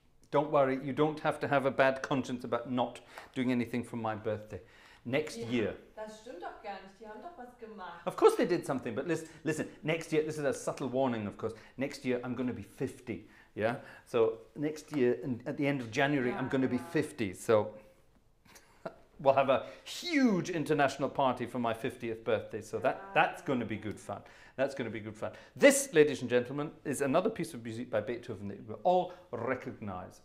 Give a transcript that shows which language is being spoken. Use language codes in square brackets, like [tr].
[en] Don't worry. You don't have to have a bad conscience about not doing anything for my birthday. Next year. [de] Das stimmt doch gar nicht. Die haben doch was gemacht. [en] Of course they did something, but listen, next year, this is a subtle warning, of course. Next year, I'm going to be 50, yeah? So next year, at the end of January, I'm going to be 50. So we'll have a huge international party for my 50th birthday. So that's going to be good fun. That's going to be good fun. This, ladies and gentlemen, is another piece of music by Beethoven that you will all recognize.